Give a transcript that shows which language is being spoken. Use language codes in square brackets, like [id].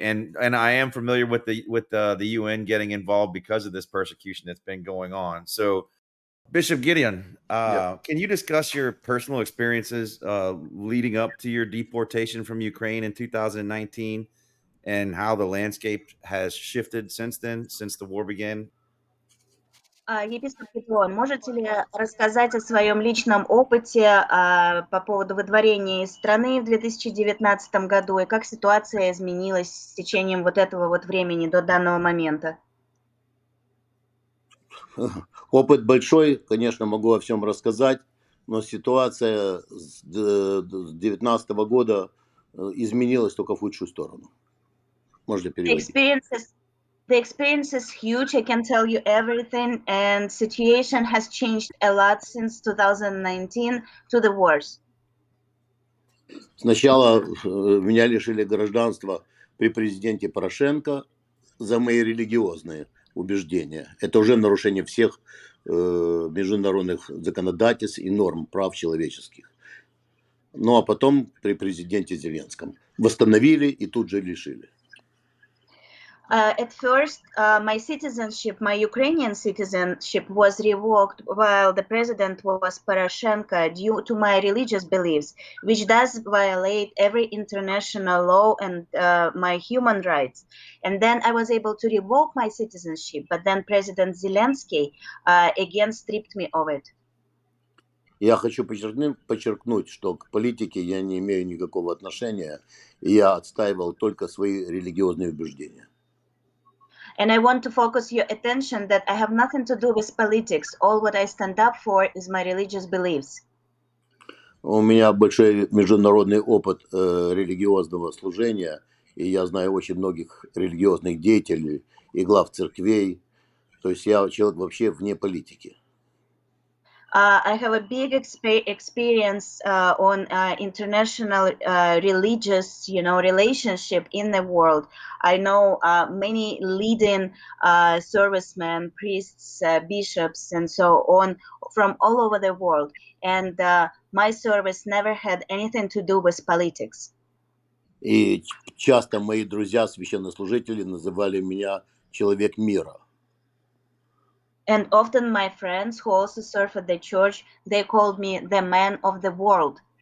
[en] And I am familiar with the UN getting involved because of this persecution that's been going on. So Bishop Gideon, can you discuss your personal experiences leading up to your deportation from Ukraine in 2019 and how the landscape has shifted since then, since the war began? [ru] Епископ Петрон, можете ли рассказать о своем личном опыте по поводу выдворения из страны в 2019 году и как ситуация изменилась с течением вот этого вот времени до данного момента? Опыт большой, конечно, могу о всем рассказать, но ситуация с 2019 года изменилась только в худшую сторону. Можно переводить. [en] The experience is huge. I can tell you everything, and situation has changed a lot since 2019 to the worse. [ru] Сначала меня лишили гражданства при президенте Порошенко за мои религиозные убеждения. Это уже нарушение всех международных законодательств и норм прав человеческих. Ну а потом при президенте Зеленском восстановили и тут же лишили. [en] At first, my citizenship, my Ukrainian citizenship was revoked while the president was Poroshenko due to my religious beliefs, which does violate every international law and my human rights. And then I was able to revoke my citizenship, but then President Zelensky again stripped me of it. [ru] Я хочу подчеркнуть, что к политике я не имею никакого отношения. Я отстаивал только свои религиозные убеждения. [en] And I want to focus your attention that I have nothing to do with politics. All what I stand up for is my religious beliefs. [ru] У меня большой международный опыт религиозного служения, и я знаю очень многих религиозных деятелей и глав церквей. То есть я человек вообще вне политики. [en] I have a big experience on international religious, you know, relationship in the world. I know many leading servicemen, priests, bishops, and so on from all over the world. And my service never had anything to do with politics. [ru] И часто мои друзья священнослужители называли меня человек мира. [en] And often my friends, who also serve at the church, they called me the man of the world.